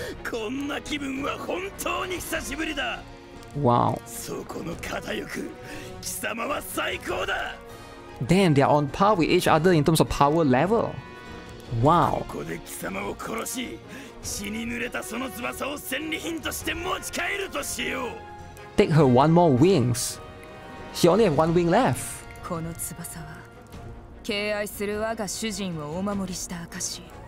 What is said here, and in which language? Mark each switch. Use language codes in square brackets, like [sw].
[ja] こんな気分は本当に久しぶりだ。わお。そこの肩よく、貴様は最高だ。 [en] Damn, they are on par with each other in terms of power level. Wow. [ja] ここで貴様を殺し、血に濡れたその翼を戦利品として持ち帰るとしよう。 [en] Take her one more wings. She only have one wing left. [ja] この翼は。敬愛する我が主人をお守りした証。